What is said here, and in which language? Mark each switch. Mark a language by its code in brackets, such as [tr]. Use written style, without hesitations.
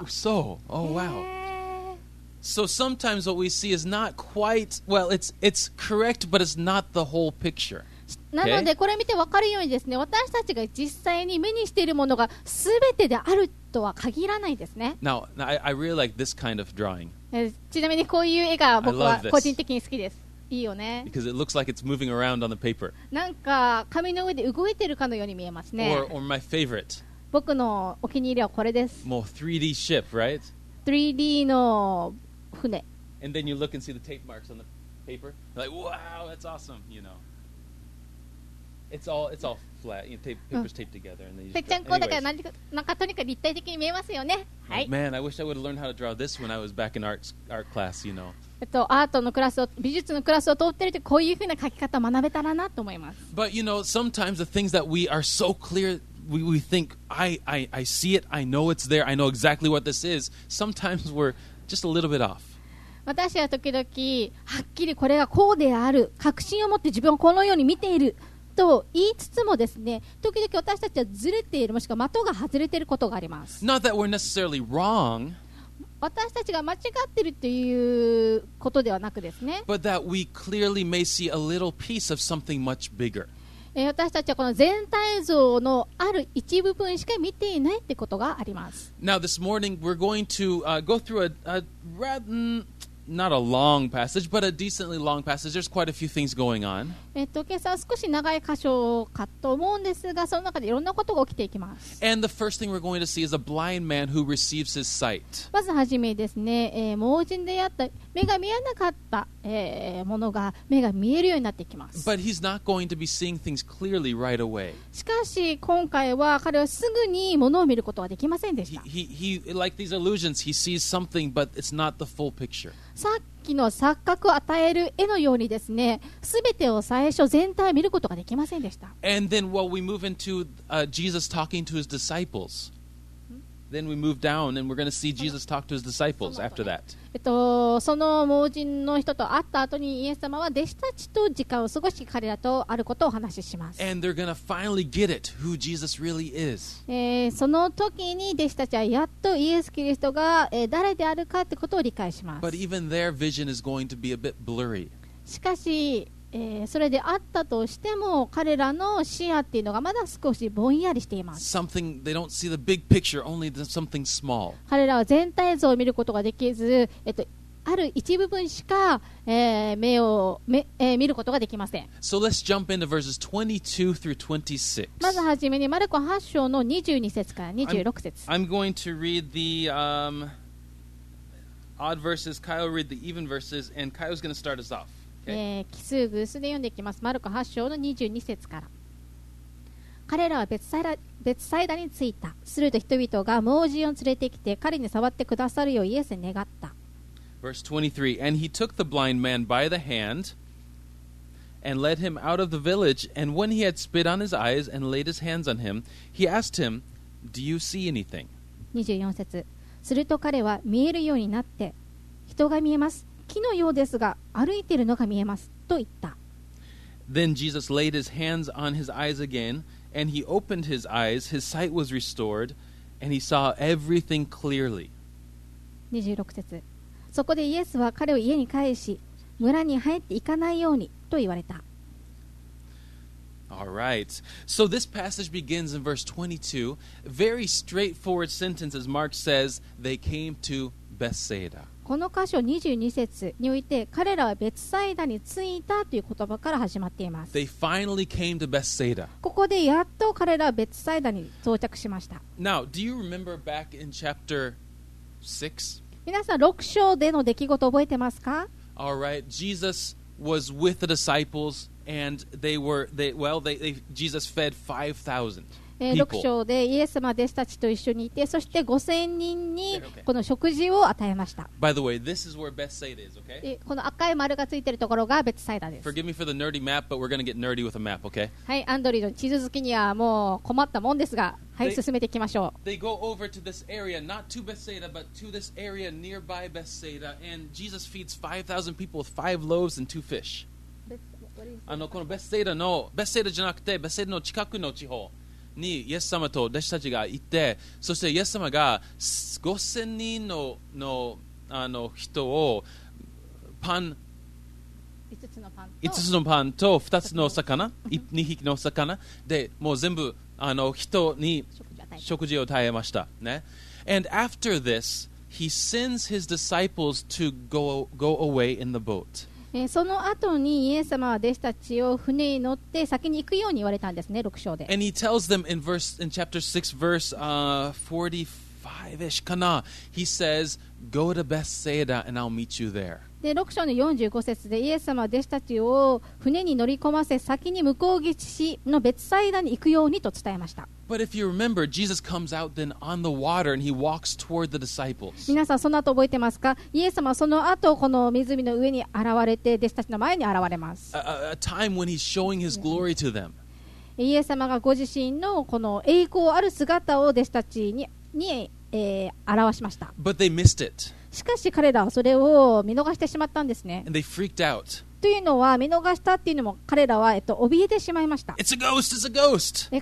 [ja] ウソ。 [en] Oh, wow. So sometimes what we see is not quite, well, it's correct, but it's not the whole picture. [ja] なのでこれ見て分かるようにですね、私たちが実際に目にしているものが全てであるとは限らないですね。 [en] Now, I really like this kind of drawing. [ja] ちなみにこういう絵が僕は個人的に好きです。いいよね。 [en] Because it looks like it's moving around on the paper. [ja] なんか紙の上で動いてるかのように見えますね。 [en] or my favorite. [ja] 僕のお気に入りはこれです。 [en] もう 3D ship, right? [ja] 3D の船。 [en] And then you look and see the tape marks on the paper. Like, wow, that's awesome, you know. It's all flat. You know, paper's taped together, and then you. [ja] ぺちゃんこだから何かとにかく立体的に見えますよね。はい。 [en] Man, I wish I would have learned how to draw this when I was back in art class. You know. [ja] アートのクラスを美術のクラスを通ってるとこういうふうな描き方を学べたらなと思います。 [en] But you know, sometimes the things that we are so clear, we think I see it, I know it's there, I know exactly what this is. Sometimes we're just a little bit off. [ja] 私は時々はっきりこれがこうである確信を持って自分をこのように見ている。と言いつつもですね、時々私たちはずれている、もしくは的が外れていることがあります。 [en] Not that we're necessarily wrong, [ja] 私たちが間違っているということではなくですね、 [en] But that we clearly may see a little piece of something much bigger. [ja] 私たちはこの全体像のある一部分しか見ていないってことがあります。 [en] Now this morning we're going to go through a rather... Not a long passage, but a decently long passage. There's quite a few things going on. [ja] 今朝は少し長い箇所かと思うんですが、その中でいろんなことが起きていきます。 [en] And the first thing we're going to see is a blind man who receives his sight. [ja] まずはじめですね、盲人であった、目が見えなかったものが目が見えるようになってきます。 [en] But he's not going to be seeing things clearly right away. [ja] しかし今回は彼はすぐに物を見ることはできませんでした。 [en] He like these illusions, he sees something, but it's not the full picture. [ja] さっきの錯覚を与える絵のようにですね、すべてを最初全体を見ることができませんでした。 [en] And then while we move into Jesus talking to his disciples. Then we move down and we're going to see Jesus talk to his disciples after that. [ja] その盲人の人と会った後にイエス様は弟子たちと時間を過ごし彼らとあることをお話しします。 [en] And they're going to finally get it, who Jesus really is. [ja] その時に弟子たちはやっとイエス・キリストが誰であるかってことを理解します。 [en] But even their vision is going to be a bit blurry. [ja] しかし、それであったとしても彼らの視野っていうのがまだ少しぼんやりしています。 [en] Something, they don't see the big picture, only the something small. [ja] 彼らは全体像を見ることができず、ある一部分しか、見ることができません。 [en] So let's jump into verses 22 through 26. [ja] まずはじめにマルコ8章の22節から26節。 [en] I'm going to read the odd verses. Kyle will read the even verses, and Kyle's going to start us off. [ja] 奇数偶数で読んでいきます。マルコ8章の22節から。彼らはベツサイダに着いた。すると人々が盲人を連れてきて彼に触ってくださるようイエスに願った。 [en] Verse 23. And he took the blind man by the hand and led him out of the village, and when he had spit on his eyes and laid his hands on him, he asked him, Do you see anything? [ja] 24節。すると彼は見えるようになって、人が見えます、木のようですが歩いているのが見えますと言った。 [en] Then Jesus laid his hands on his eyes again, and he opened his eyes. His sight was restored, and he saw everything clearly. [ja] 26節。そこでイエスは彼を家に帰し、村に入っていかないようにと言われた。 [en] All right. So this passage begins in verse 22. Very straightforward sentence, as Mark says, they came to Bethsaida. [ja] この箇所22節において彼らはベツサイダに着いたという言葉から始まっています。 [en] They finally came to Bethsaida. [ja] ここでやっと彼らはベツサイダに到着しました。 [en] Now, do you remember back in chapter 6? [ja] 皆さん6章での出来事覚えてますか？ [en] All right. Jesus was with the disciples and they Jesus fed 5,000 [ja] 6章でイエス様弟子たちと一緒にいて、そして5000人にこの食事を与えました。 [en] By the way, this is where Bethsaida is, okay? [ja] この赤い丸がついているところがベツサイダです。 [en] Forgive me for the nerdy map, but we're going to get nerdy with a map, okay? [ja] はい、アンドリーの地図好きにはもう困ったもんですが、はい、進めていきましょう。 [en] They go over to this area, not to Bethsaida, but to this area nearby Bethsaida, and Jesus feeds 5,000 people with 5 loaves and 2 fish. [ja] このBethsaidaじゃなくて、Bethsaidaの近くの地方。にイエス様と弟子たちが行って、そしてイエス様が5000人 の人をパン 5つのパンと 2つの魚2匹の魚でもう全部人に食事を与えましたね。 [en] And after this he sends his disciples to go away in the boat [ja] その後にイエス様は弟子たちを船に乗って先に行くように言われたんですね、6章で。 [en] And he tells them in chapter 6, verse 45-ish かな。 He says, Go to Bethsaida and I'll meet you there. [ja] で、6章の45節でイエス様は弟子たちを船に乗り込ませ先に向こう岸のベツサイダに行くようにと伝えました。 [en] But if you remember, Jesus comes out then on the water and he walks toward the disciples. [ja] 皆さんその後覚えてますか？イエス様はその後この湖の上に現れて弟子たちの前に現れます。 [en] A time when he's showing his glory to them. [ja] イエス様がご自身のこの栄光ある姿を弟子たちに、表しました。 [en] But they missed it. [ja] しかし彼らはそれを見逃してしまったんですね。 [en] And they freaked out. [ja] というのは見逃したっていうのも彼らは怯えてしまいました。 [en] It's a ghost! It's a ghost!